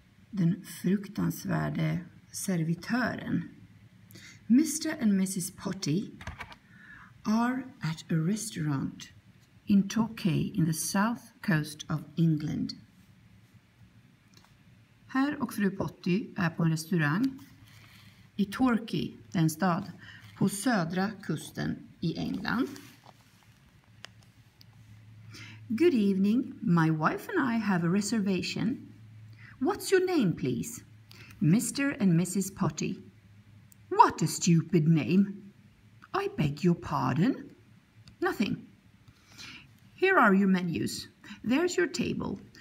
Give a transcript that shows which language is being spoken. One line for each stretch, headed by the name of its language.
Swedish: Den fruktansvärde servitören.
English: Mr. and Mrs. Potty are at a restaurant in Torquay in the south coast of England.
Swedish: Herr och fru Potty är på en restaurang i Torquay, den stad på södra kusten i England.
English: Good evening. My wife and I have a reservation. What's your name, please? Mr. and Mrs. Potty. What a stupid name. I beg your pardon. Nothing. Here are your menus. There's your table.